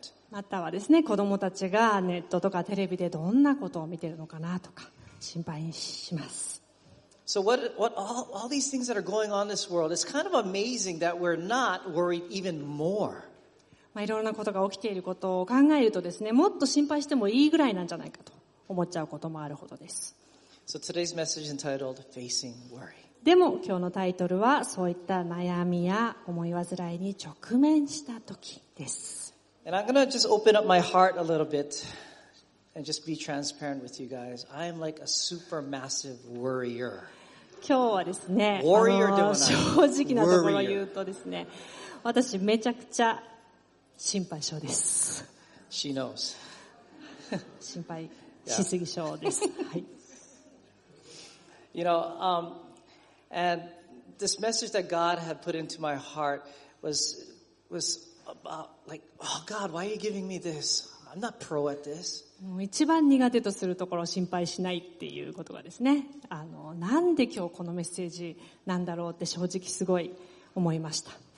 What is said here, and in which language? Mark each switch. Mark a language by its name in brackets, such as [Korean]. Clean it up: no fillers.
[Japanese] またはですね、子供たちがネットとかテレビでどんなことを見てるのかなとか、心配します。 [English] So what all these things that are going on in this world, it's kind of amazing that we're not worried even more. [Japanese] まあ、いろんなことが起きていることを考えるとですね、もっと心配してもいいぐらいなんじゃないかと思っちゃうこともあるほどです。 [English] So today's message entitled Facing Worry. [Japanese] でも今日のタイトルはそういった悩みや思い患いに直面した時です。 [English] And I'm gonna just open up my heart a little bit. And just be transparent with you guys. I am like a super massive worrier. [Japanese] 今日はですね、 Warrior ではない。正直なところを言うとですね、私めちゃくちゃ心配症です。 [English] She knows. [Japanese] 心配しすぎ症です。はい。 [English] You know, and this message that God had put into my heart was about like, oh God, why are you giving me this? I'm not pro at this. [Japanese] 一番苦手とするところを心配しないっていうことがですね、あの、なんで今日このメッセージなんだろうって正直すごい思いました。